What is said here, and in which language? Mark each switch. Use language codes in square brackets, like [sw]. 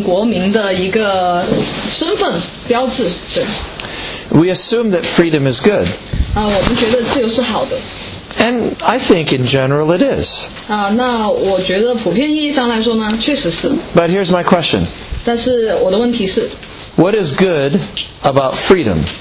[zh] 对美国人来说，这个基本上就是我们国民的一个身份标志。 [en] We assume that freedom is good. [zh] 我们觉得自由是好的。 [en] And I think in general it is. [zh] 那我觉得普遍意义上来说呢，确实是。 [en] But here's my question. [zh] 但是我的问题是。 [en] What is good about freedom?